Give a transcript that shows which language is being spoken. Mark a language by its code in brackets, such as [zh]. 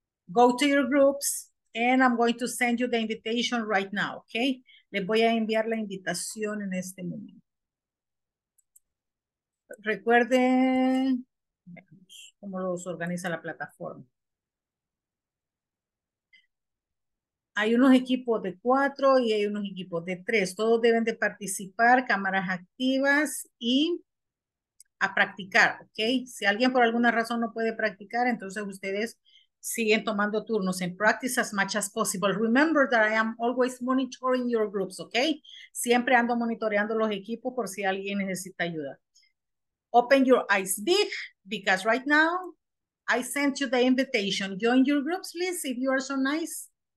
[en] Go to your groups and I'm going to send you the invitation right now. Okay. [es] Les voy a enviar la invitación en este momento. Recuerden cómo los organiza la plataforma. Hay unos equipos de 4 y hay unos equipos de 3. Todos deben de participar, cámaras activas y a practicar, ¿ok? Si alguien por alguna razón no puede practicar, entonces ustedes siguen tomando turnos en [en] practice as much as possible. Remember that I am always monitoring your groups, [es] ¿ok? Siempre ando monitoreando los equipos por si alguien necesita ayuda. [en] Open your eyes big, because right now I sent you the invitation. Join your groups, please, if you are so nice.